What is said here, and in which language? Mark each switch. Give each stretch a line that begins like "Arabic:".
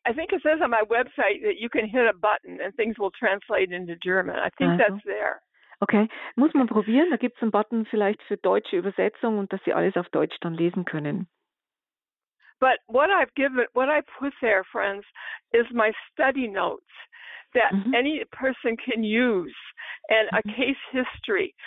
English: I think it says on my website that you can hit a button and things will translate into German. I think also. That's there.
German: Okay, muss man probieren. Da gibt es einen Button vielleicht für deutsche Übersetzung und dass Sie alles auf Deutsch dann lesen können.
English: But what I put there, friends, is my study notes that any person can use and a case history.